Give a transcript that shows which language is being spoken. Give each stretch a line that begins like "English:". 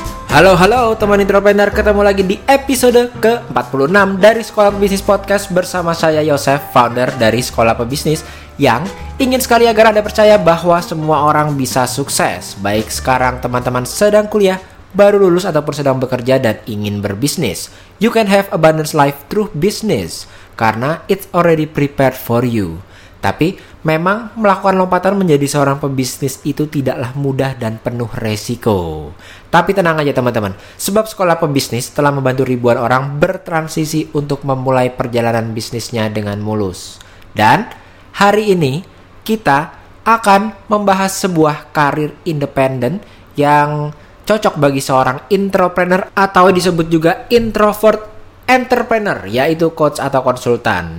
Indonesian: Halo, halo teman intropreneur, ketemu lagi di episode ke-46 dari Sekolah Pebisnis Podcast bersama saya Yosef, founder dari Sekolah Pebisnis, yang ingin sekali agar Anda percaya bahwa semua orang bisa sukses, baik sekarang teman-teman sedang kuliah, baru lulus ataupun sedang bekerja dan ingin berbisnis.
English: You can have abundance life through business, karena it's already prepared for you.
Indonesian: Tapi memang melakukan lompatan menjadi seorang pebisnis itu tidaklah mudah dan penuh resiko. Tapi tenang aja teman-teman, sebab Sekolah Pebisnis telah membantu ribuan orang bertransisi untuk memulai perjalanan bisnisnya dengan mulus. Dan hari ini kita akan membahas sebuah karir independen yang cocok bagi seorang intrapreneur atau disebut juga introvert entrepreneur, yaitu coach atau konsultan.